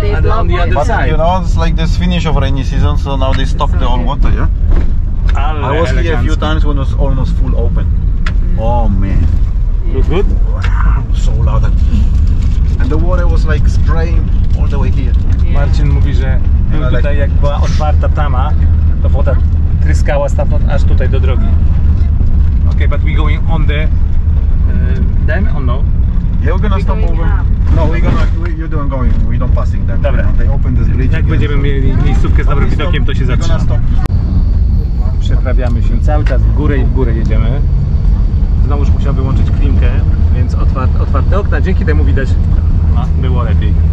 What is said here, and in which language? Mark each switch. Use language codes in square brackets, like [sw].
[en] you know, it's like this finish of rainy season, so now they stop the whole water, yeah? I was here a few times when it was almost full open. Oh man. Look good? Wow, so loud. And the water was like spraying all the way here. [pl] Marcin mówi, że był tutaj, jak była otwarta tama, to woda tryskała stamtąd aż tutaj do drogi. [en] Okay, but we're going on the dam or no? Yeah, we're gonna stop over. No, we're not passing them. [pl] Dobra. [en] You know? They open this bridge. [pl] Jak [en] again, [pl] będziemy mieli miejscówkę z dobrym widokiem, to się zatrzyma. Przeprawiamy się cały czas w górę jedziemy. Znowu już musiał wyłączyć klimkę, więc otwarte okna. Dzięki temu widać, było lepiej.